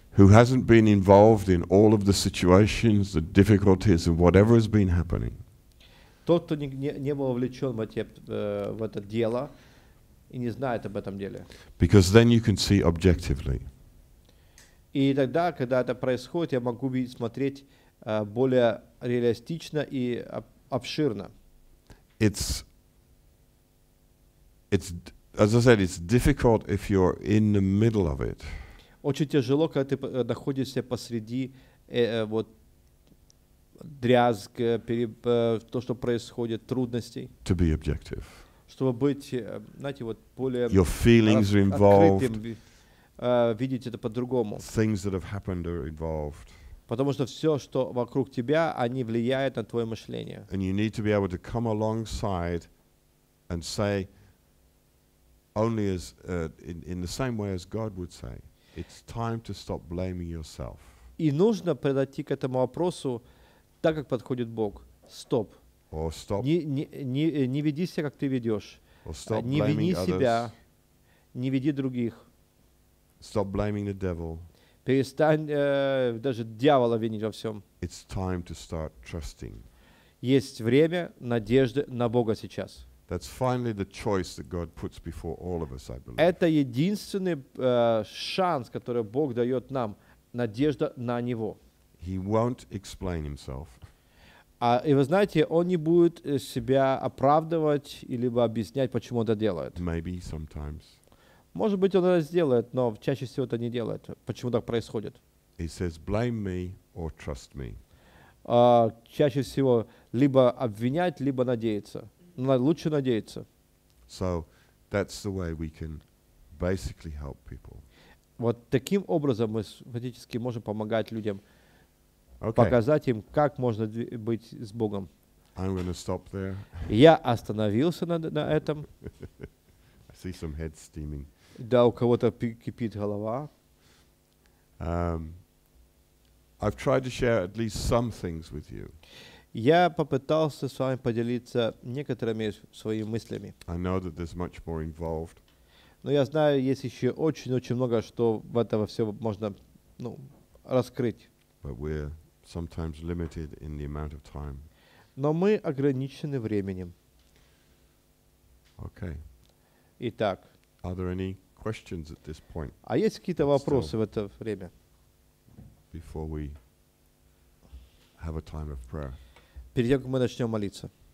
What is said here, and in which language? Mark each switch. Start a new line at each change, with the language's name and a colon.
English: Who hasn't been involved in all of the situations, the difficulties, and whatever has been happening.
Russian: Тот, кто не был вовлечен в это дело. И не знает об этом деле.
English: Because then you can see objectively.
Russian: И тогда, когда это происходит, я могу смотреть более реалистично и обширно.
English: It's as I said, it's difficult if you're in the middle of it.
Russian: Очень тяжело, когда ты находишься посреди вот дрязг, то, что происходит, трудностей.
English: To be objective.
Russian: Чтобы быть, знаете, вот более
English: your feelings are involved,
Russian: открытым, видеть это по-другому.
English: Things that have happened are involved.
Russian: Потому что все, что вокруг тебя, они влияют на твое мышление.
English: And you need to be able to come alongside and say only as in the same way as God would say, it's time to stop blaming yourself.
Russian: И нужно подойти к этому вопросу так, как подходит Бог. Стоп.
English: Or stop.
Russian: Не веди себя, как ты ведешь. Не вини себя. Не веди других.
English: Stop blaming the devil.
Russian: Перестань даже дьявола винить во всем.
English: It's time to start trusting.
Russian: Есть время надежды на Бога сейчас.
English: That's finally the choice that God puts before all of us, I believe.
Russian: Это единственный шанс, который Бог дает нам, надежда на Него.
English: He won't explain Himself.
Russian: И вы знаете, он не будет себя оправдывать или объяснять, почему он это делает.
English: Maybe sometimes.
Russian: Может быть, он это сделает, но чаще всего это не делает. Почему так происходит?
English: He says, blame me or trust me.
Russian: Чаще всего либо обвинять, либо надеяться. Лучше надеяться.
English: So that's the way we can basically help people.
Russian: Вот таким образом мы фактически можем помогать людям.
English: Okay.
Russian: Показать им, как можно быть с Богом.
English: I'm gonna stop there.
Russian: Я остановился на этом.
English: I see some heads steaming.
Russian: Да, у кого-то кипит голова.
English: I've tried to share at least some things with you.
Russian: Я попытался с вами поделиться некоторыми своими мыслями.
English: I know that there's much more involved.
Russian: Но я знаю, есть еще очень-очень много, что в этом все можно раскрыть.
English: But we're sometimes limited in the amount of time.
Russian: Но мы ограничены временем.
English: Okay.
Russian: Итак.
English: Are there any questions at this point?
Russian: А есть какие-то вопросы в это время?
English: Before we have a time of prayer.
Russian: Перед тем, как мы начнем молиться.